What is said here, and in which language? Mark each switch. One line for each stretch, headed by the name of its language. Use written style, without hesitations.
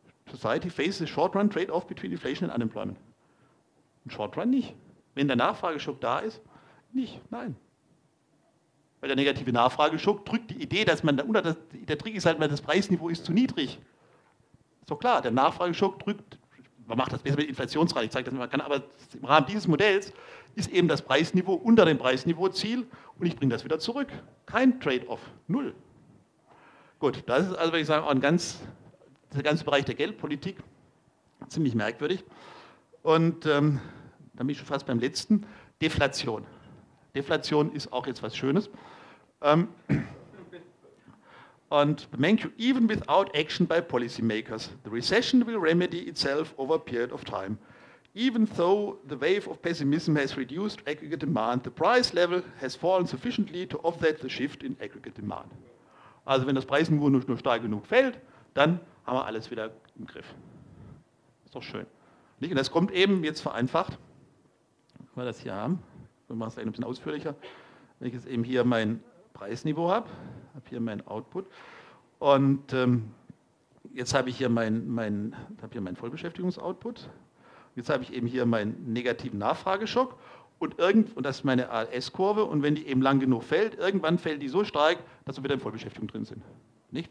English: Society faces a short-run trade-off between inflation and unemployment.
German: Ein Short-run nicht. Wenn der Nachfrageschock da ist, nicht, nein. Weil der negative Nachfrageschock drückt die Idee, dass man unter das, der Trick ist halt, weil das Preisniveau ist zu niedrig. Ist doch klar, der Nachfrageschock drückt, man macht das besser mit Inflationsrate, ich zeige das nicht, man kann, aber im Rahmen dieses Modells ist eben das Preisniveau unter dem Preisniveauziel und ich bringe das wieder zurück. Kein Trade-off, null. Gut, das ist also, würde ich sagen, auch ein ganz, der ganze Bereich der Geldpolitik, ziemlich merkwürdig. Und da bin ich schon fast beim letzten, Deflation. Deflation ist auch jetzt was Schönes.
English: Und Mankiw, even without action by policymakers, the recession will remedy itself over a period of time. Even though the wave of pessimism has reduced aggregate demand, the price level has fallen sufficiently to offset the shift in aggregate demand.
German: Also wenn das Preisniveau nur stark genug fällt, dann haben wir alles wieder im Griff. Ist doch schön. Und das kommt eben jetzt vereinfacht, wenn wir das hier haben. Wir machen es ein bisschen ausführlicher, wenn ich jetzt eben hier mein Preisniveau habe, habe hier mein Output und jetzt habe ich hier mein Vollbeschäftigungsoutput, jetzt habe ich eben hier meinen negativen Nachfrageschock und das ist meine ALS-Kurve und wenn die eben lang genug fällt, irgendwann fällt die so stark, dass wir wieder in Vollbeschäftigung drin sind. Nicht?